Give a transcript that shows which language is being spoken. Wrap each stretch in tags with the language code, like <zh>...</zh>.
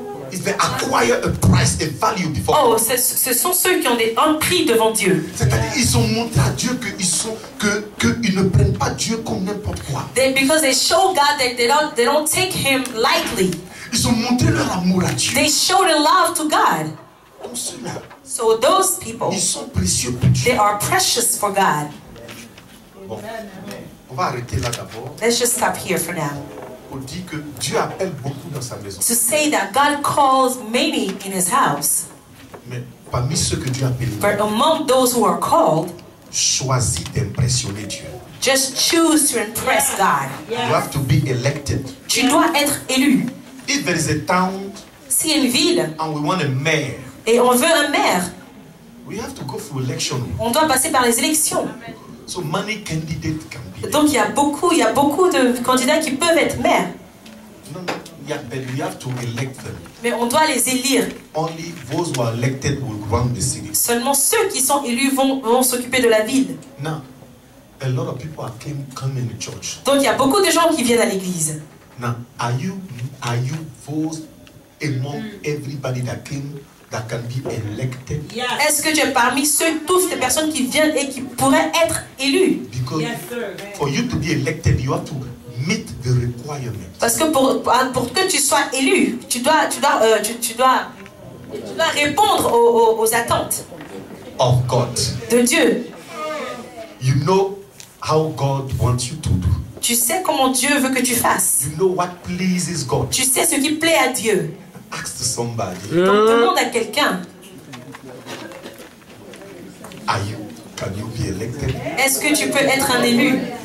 <en>if they acquire a price and value before.</en> <fr>Oh, ce sont ceux qui ont des un prix devant Dieu. C'est-à-dire ils ont montré à Dieu qu'ils ne prennent pas Dieu comme n'importe quoi.</fr> <en>They because they show God that they don't take him lightly.</en> <fr>Ils ont montré leur amour à Dieu.</fr> <en>They show their love to God. So those people,</en> <fr>ils sont précieux pour Dieu.</fr> <en>They are precious for God.</en> <fr>Bon, on va arrêter là d'abord.</fr> <en>Let's just stop here for now.</en> <fr>On dit que Dieu appelle beaucoup dans sa maison.</fr> <en>To say that God calls many in his house.</en> <fr>Mais parmi ceux que Dieu appelle.</fr> <en>But among those who are called,</en> <fr>choisis d'impressionner Dieu.</fr> <en>Just choose to impress God. You have to be elected.</en> <fr>Tu dois être élu.</fr> <en>If there is a town,</en> <fr>si une ville,</fr> <en>and we want a mayor.</en> <fr>Et on veut un maire.</fr> <en>We have to go through election.</en> <fr>On doit passer par les élections.</fr> <en>So many candidates can be.</en> <fr>Donc il y a beaucoup de candidats qui peuvent être maires.</fr> <en>No, but we have to elect them.</en> <fr>Mais on doit les élire.</fr> <en>Only those who are elected will run the city.</en> <fr>Seulement ceux qui sont élus vont s'occuper de la ville.</fr> <en>Now, a lot of people are coming to church.</en> <fr>Donc il y a beaucoup de gens qui viennent à l'église.</fr> <en>Now, are you those among everybody that came? That can be elected. Yes.</en> <fr>Est-ce que tu es parmi ceux toutes les personnes qui viennent et qui pourraient être élus?</fr> <en>Because yes, for you to be elected, you have to meet the requirement.</en> <fr>Parce que pour que tu sois élu, tu dois répondre aux attentes.</fr> <en>Of God.</en> <fr>De Dieu.</fr> <en>You know how God wants you to do.</en> <fr>Tu sais comment Dieu veut que tu fasses.</fr> <en>You know what pleases God.</en> <fr>Tu sais ce qui plaît à Dieu.</fr> <en>Ask to somebody.</en> <fr>Demande à quelqu'un.</fr> <en>Can you be elected?</en> <fr>Est-ce que tu peux être un élu?</fr>